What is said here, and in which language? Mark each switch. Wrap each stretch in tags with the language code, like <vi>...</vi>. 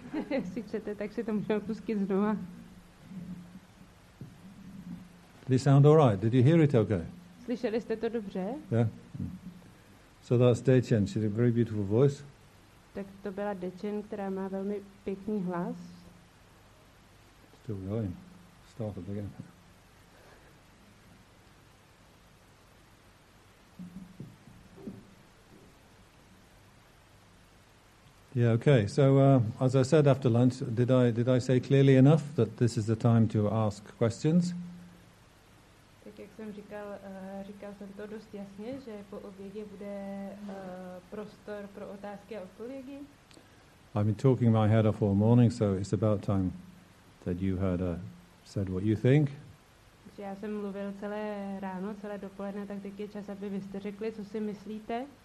<cs>Jestli chcete, tak si to můžeme pustit znova.</cs> <en>Did it sound all right? Did you hear it okay?</en> <cs>Slyšeli jste to dobře?</cs> <en>Yeah. So that's Dečen. She had a very beautiful voice.</en> <cs>Tak to byla Dečen, která má velmi pěkný hlas.</cs> <en>Still going. Started again. Yeah. Okay. So, as I said after lunch, did I say clearly enough that this is the time to ask questions?</en> <cs>Tak jak jsem říkal, říkal jsem to dost jasně, že po obědě bude prostor pro otázky a odpovědi.</cs> <en>I've been talking my head off all morning, so it's about time that you had a. Said what you think.</en> <cs>Já jsem mluvil celé ráno, celé dopoledne, tak teď je čas, aby vy jste řekli, co si myslíte.</cs>